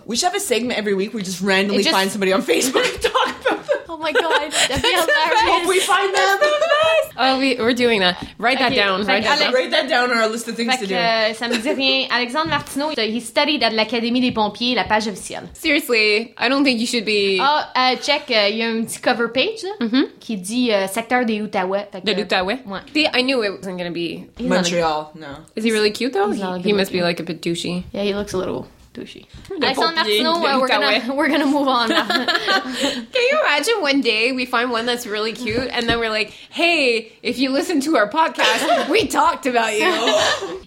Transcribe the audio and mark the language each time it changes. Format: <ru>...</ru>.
<en>We should have a segment every week where we just randomly find somebody on Facebook and talk about them. Oh, my God. That'd be hilarious. Hope we find them. Oh, we're doing that. Write that down. Write that down on our list of things to do.</en> <fr>Ça me dit rien. Alexandre Martineau,</fr> <en>he studied at</en> <fr>l'Académie des Pompiers, la page officielle. Seriously, I don't think you should be...</fr> <en>Oh, check,</en> <fr>il y a une petite cover page là, mm-hmm. qui dit secteur des Outaouais. De l'Outaouais? Ouais.</fr> <en>See, I knew it wasn't going to be... He's Montreal, no. Is he really cute though? He must be like a bit douchey. Yeah, he looks a little... Douchey. I saw Martino, we're gonna move on. Can you imagine one day we find one that's really cute and then we're like, hey, if you listen to our podcast, we talked about you.</en>